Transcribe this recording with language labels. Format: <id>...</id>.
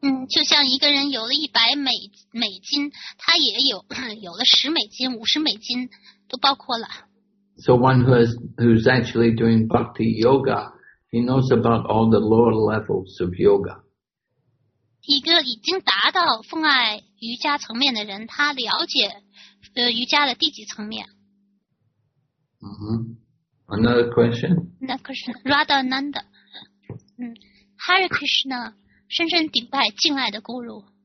<zh>就像一个人有了100美金，他也有了10美金、50美金，都包括了。</zh> <en>So one who's actually doing bhakti yoga, he knows about all the lower levels of yoga.</en> <zh>一个已经达到奉爱瑜伽层面的人，他了解瑜伽的低级层面。</zh> <en>Mm-hmm. Another question? Another question. Radha Nanda. Hare Krishna,</en> <zh>深深顶拜敬爱的</zh> <en>Guru.</en>